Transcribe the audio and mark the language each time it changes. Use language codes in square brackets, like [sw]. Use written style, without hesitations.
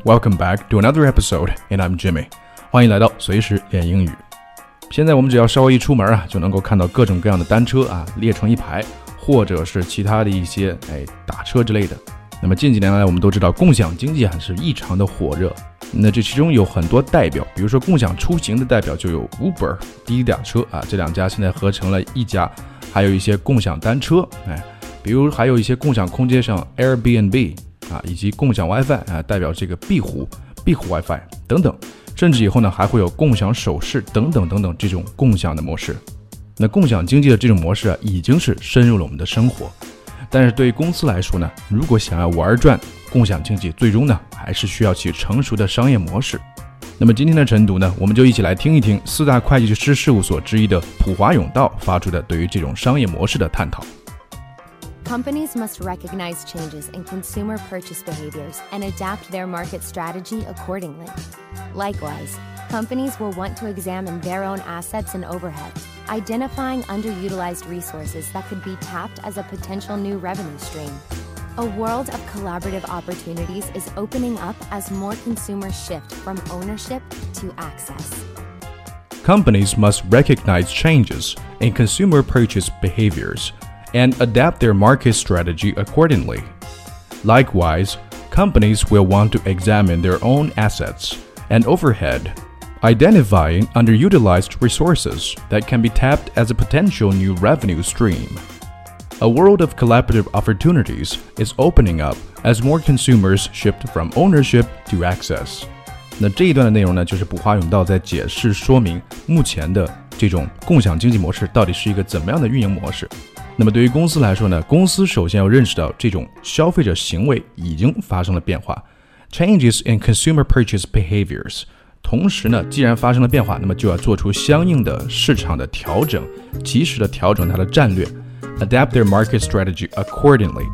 [en] Welcome back to another episode, and I'm Jimmy. [zh] 欢迎来到随时练英语。现在我们只要稍微一出门啊，就能够看到各种各样的单车啊列成一排，或者是其他的一些打车之类的。那么近几年来，我们都知道共享经济是异常的火热。那这其中有很多代表，比如说共享出行的代表就有 Uber、滴滴打车啊，这两家现在合成了一家，还有一些共享单车，比如还有一些共享空间像 Airbnb 啊，以及共享 WiFi 啊，代表这个壁虎 WiFi 等等。甚至以后呢，还会有共享首饰等等等等这种共享的模式。那共享经济的这种模式已经是深入了我们的生活。但是对于公司来说呢，如果想要玩转共享经济，最终呢还是需要其成熟的商业模式。那么今天的晨读呢，我们就一起来听一听四大会计师事务所之一的普华永道发出的对于这种商业模式的探讨。 [en] Companies must recognize changes in consumer purchase behaviors and adapt their market strategy accordingly. Likewise, companies will want to examine their own assets and overhead, identifying underutilized resources that could be tapped as a potential new revenue stream. A world of collaborative opportunities is opening up as more consumers shift from ownership to access. Companies must recognize changes in consumer purchase behaviors. And adapt their market strategy accordingly. Likewise, companies will want to examine their own assets and overhead, identifying underutilized resources that can be tapped as a potential new revenue stream. A world of collaborative opportunities is opening up as more consumers shift from ownership to access. [zh] 那这一段的内容呢，就是普华永道在解释说明目前的这种共享经济模式到底是一个怎么样的运营模式。那么对于公司来说呢，公司首先要认识到这种消费者行为已经发生了变化 [en] Changes in consumer purchase behaviors [zh] 同时呢，既然发生了变化，那么就要做出相应的市场的调整，及时的调整它的战略 [en] Adapt their market strategy accordingly.